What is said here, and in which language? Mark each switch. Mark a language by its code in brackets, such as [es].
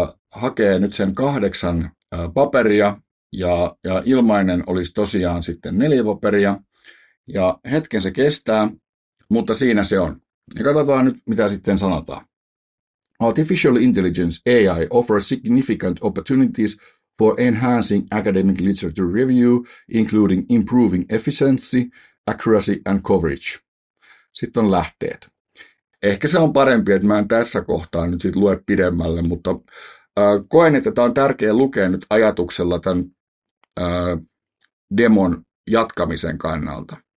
[fi] hakee nyt sen 8 paperia, ja ilmainen olisi tosiaan sitten 4 paperia, ja hetken se kestää, mutta siinä se on. Ja katsotaan nyt, mitä sitten sanotaan. [en] Artificial intelligence, AI, offers significant opportunities for enhancing academic literature review, including improving efficiency, accuracy and coverage. [fi] Sitten on lähteet. Ehkä se on parempi, että mä en tässä kohtaa nyt sit lue pidemmälle, mutta koen, että tämä on tärkeä lukea nyt ajatuksella tämän demon jatkamisen kannalta.